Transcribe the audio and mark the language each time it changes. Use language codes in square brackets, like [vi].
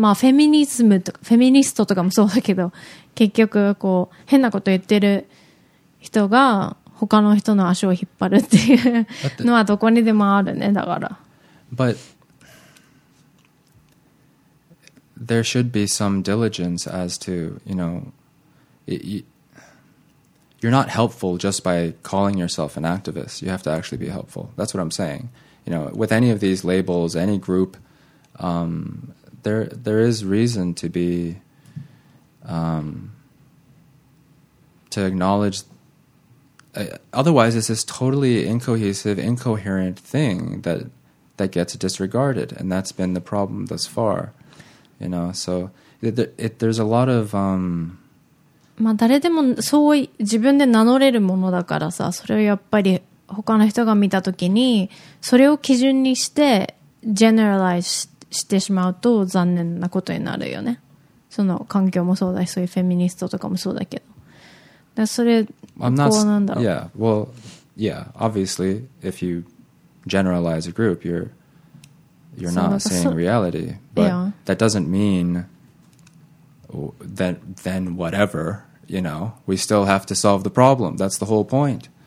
[ja] まあフェミニズムとかフェミニストとかもそうだけど、結局こう変なこと言ってる人が他の人の足を引っ張るっていうのはどこにでもあるね。だから。 [en] But there should be some diligence as to, you know, you're not helpful just by calling yourself an activist. You have to actually be helpful. That's what I'm saying. You know, with any of these labels, any group, there is reason to be to acknowledge. Otherwise, it's this totally incohesive, incoherent thing that gets disregarded, and that's been the problem thus far. You know, so there's a lot of. [ja] まあ誰でもそう自分で名乗れるものだからさ、それをやっぱり他の人が見たときにそれを基準にして generalize してしまうと残念なことになるよね。その環境もそうだし、そういうフェミニストとかもそうだけど。 [en] I'm not. Yeah. Well. Yeah. Obviously, if you generalize a group, you're not seeing reality. But yeah. That doesn't mean then whatever. You know, we still have to solve the problem. That's the whole point.